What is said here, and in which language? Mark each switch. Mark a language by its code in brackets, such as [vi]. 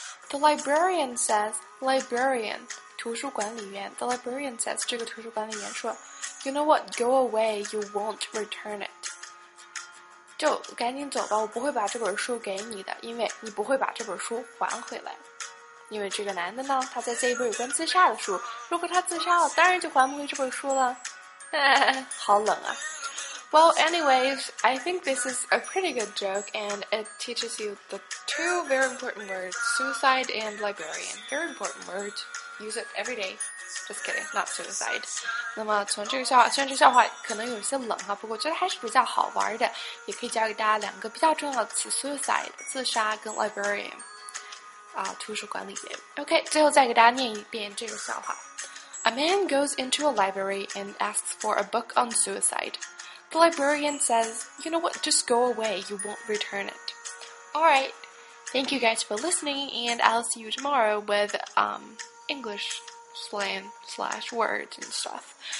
[en] The librarian says, librarian, 图书管理员 The librarian says, [zh] 这个图书管理员说 [en] ，You know what? Go away. You won't return it. [zh] 就赶紧走吧，我不会把这本书给你的，因为你不会把这本书还回来。因为这个男的呢，他在借一本有关自杀的书。如果他自杀了，当然就还不回这本书了。好冷啊。 [en] Well, anyways, I think this is a pretty good joke, and it teaches you the two very important words, suicide and librarian. Very important word. Use it every day. Just kidding, not suicide. [zh] 那么从这个笑话，虽然这个笑话可能有些冷啊，不过觉得还是比较好玩的，也可以教给大家两个比较重要的词 suicide, 自杀跟 librarian. 图书管理员。 OK, 最后再给大家念一遍这个笑话。 [en] A man goes into a library and asks for a book on suicide. The librarian says, you know what, just go away, you won't return it. Alright, thank you guys for listening, and I'll see you tomorrow with, English slang slash words and stuff.